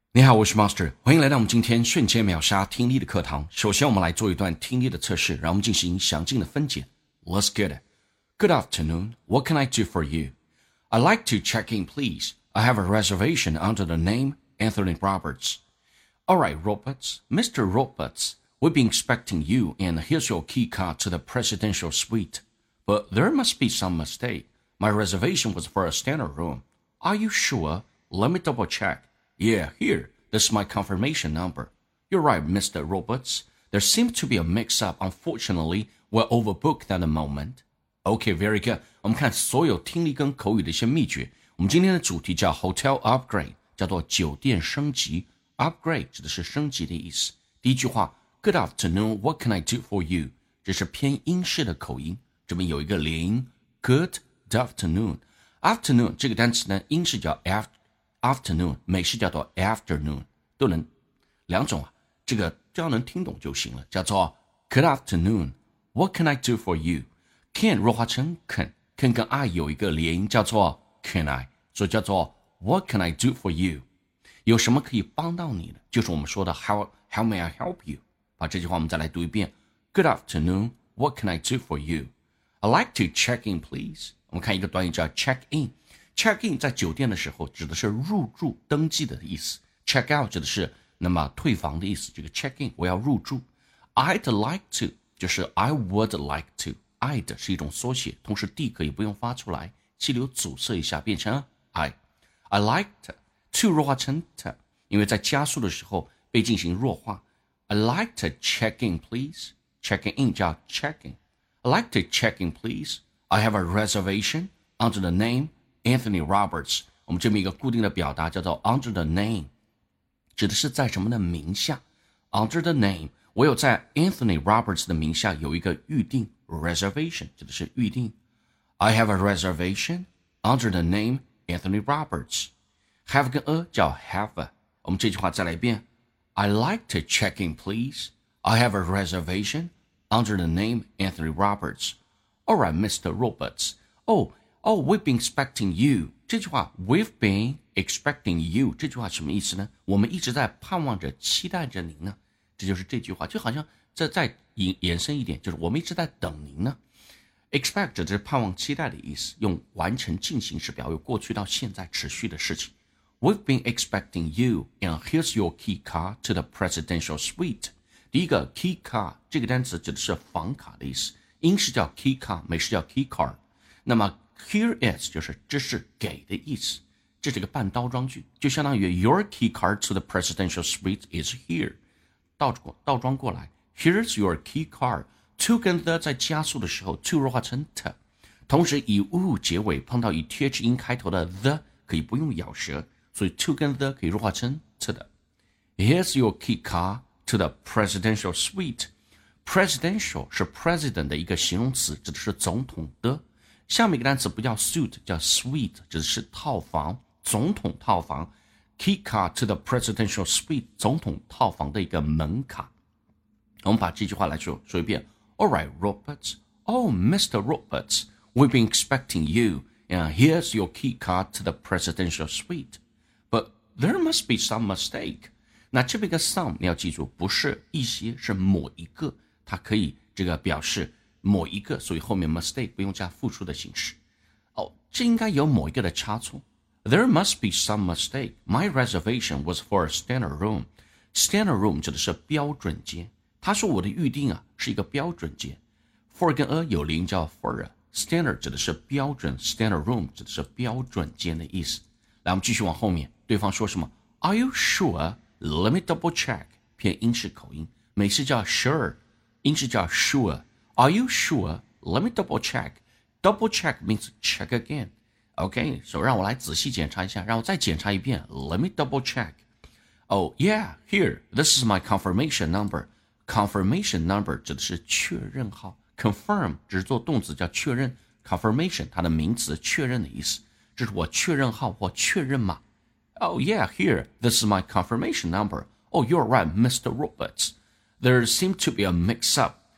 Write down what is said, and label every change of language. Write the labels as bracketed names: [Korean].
[Chinese] 你好，我是 Master， 欢迎来到我们今天瞬间秒杀听力的课堂。首先我们来做一段听力的测试，让我们进行详尽的分解。 [English] Let's get it. Good afternoon. What can I do for you? I'd like to check in, please. I have a reservation under the name Anthony Roberts. All right, Roberts. Mr. Roberts, we've been expecting you, and here's your key card to the presidential suite. But there must be some mistake. My reservation was for a standard room. Are you sure? Let me double check. Yeah, here. This is my confirmation number. You're right, Mr. Roberts. There seems to be a mix-up. Unfortunately, we're overbooked at the moment. Okay, very good. [Chinese] 我们看所有听力跟口语的一些秘诀。我们今天的主题叫 Hotel Upgrade, 叫做酒店升级。 Upgrade 指的是升级的意思。第一句话 [English] Good afternoon, what can I do for you? [Chinese] 这是偏英式的口音。这边有一个连音 Good afternoon. Afternoon 这个单词呢，英式叫 afternoon, 美式叫做 afternoon, 都能两种啊，这个只要能听懂就行了，叫做 [English] good afternoon, what can I do for you? [Chinese] Can 弱化成 can 跟 I 有一个连音叫做 can I, 所以叫做 [English] what can I do for you? [Chinese] 有什么可以帮到你的，就是我们说的 [English] how may I help you? [Chinese] 把这句话我们再来读一遍 [English] good afternoon, what can I do for you? I'd like to check in, please. [Chinese] 我们看一个短语叫 check in,Check in 在酒店的时候指的是入住登记的意思。 Check out 指的是那么退房的意思。这个 check in 我要入住。 [English] I'd like to, 就是 I would like to。 [Chinese] I'd 是一种缩写，同时 D 可以不用发出来，气流阻塞一下变成 I。 [English] I liked to 弱化成 t, [Chinese] 因为在加速的时候被进行弱化。 [English] I'd like to check in, please. Checking in 叫 checking. I'd like to check in, please. I have a reservation under the nameAnthony Roberts, [Chinese] 我们这么一个固定的表达叫做 under the name, 指的是在什么的名下。 [English] Under the name, [Chinese] 我有在 Anthony Roberts 的名下有一个预定 reservation, 指的是预定。 [English] I have a reservation under the name Anthony Roberts. [Chinese] Have 跟 a 叫 have, 我们这句话再来一遍。 [English] I'd like to check in, please. I have a reservation under the name Anthony Roberts. All right, Mr. Roberts. Oh, we've been expecting you. [Chinese] 这句话 [English] we've been expecting you. [Chinese] 这句话什么意思呢？我们一直在盼望着期待着您呢。这就是这句话，就好像这再延伸一点，就是我们一直在等您呢。 Expect 指的是盼望期待的意思，用完成进行时表有过去到现在持续的事情。 [English] We've been expecting you, and here's your key card to the presidential suite. [Chinese] 第一个 key card 这个单词指的是房卡的意思，英式叫 key card, 美式叫 key card。那么Here is, 就是这是给的意思。这是一个半倒装句，就相当于 [English] Your key card to the presidential suite is here. [Chinese] 倒装过来。 [English] Here's your key card. [Chinese] To 跟 the 在加速的时候 to 弱化成 t. 同时以 u 结尾碰到以 th 音开头的 the 可以不用咬舌，所以 to 跟 the 可以弱化成 t 的。 [English] Here's your key card to the presidential suite. [Chinese] Presidential 是 president 的一个形容词，指的是总统的。下面一个单词不叫 suit, 叫 suite, 指的是套房，总统套房。 [English] Key card to the presidential suite, [Chinese] 总统套房的一个门卡。我们把这句话来说一遍。 [English] All right, Roberts. Oh, Mr. Roberts, we've been expecting you, and here's your key card to the presidential suite. But there must be some mistake. [Chinese] 那这边一个 some, 你要记住不是一些是某一个，它可以这个表示某一个，所以后面 mistake 不用加复数的形式。哦，这应该有某一个的差错。 [English] There must be some mistake. My reservation was for a standard room. [Chinese] Standard room 指的是标准间。他说我的预定啊是一个标准间。 For 跟 a 有连叫 for a. Standard 指的是标准 ，standard room 指的是标准间的意思。来，我们继续往后面，对方说什么 [English] ？Are you sure? Let me double check. [Chinese] 偏英式口音，美式叫 sure, 英式叫 sure。 [English] Are you sure? Let me double check. Double check means check again. [Chinese] Okay, so 让我来仔细检查一下，让我再检查一遍。 [English] Let me double check. Oh, yeah, here. This is my confirmation number. [Chinese] Confirmation number 指的是确认号。 Confirm 只是做动词叫确认。Confirmation 它的名词确认的意思。这是我确认号或确认码。 [English] Oh, yeah, here. This is my confirmation number. Oh, you're right, Mr. Roberts. There seems to be a mix-up.